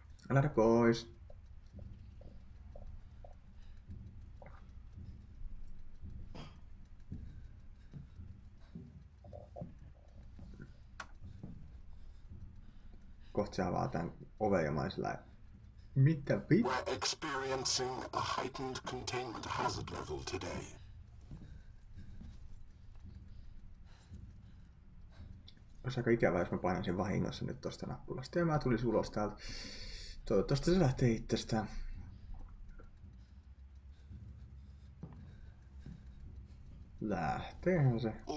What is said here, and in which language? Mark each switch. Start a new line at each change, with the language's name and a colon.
Finnish: Lähde pois. Kohta se avaa tän oven ja mä olin sillä lailla. Mitä vittu?
English: We're experiencing a heightened containment hazard level today.
Finnish: Olisi aika ikävä, jos mä painaisin vahingossa nyt tosta nappulasta ja mä tulisin ulos täältä. Toivottavasti se lähtee itsestään. Lähteehän se.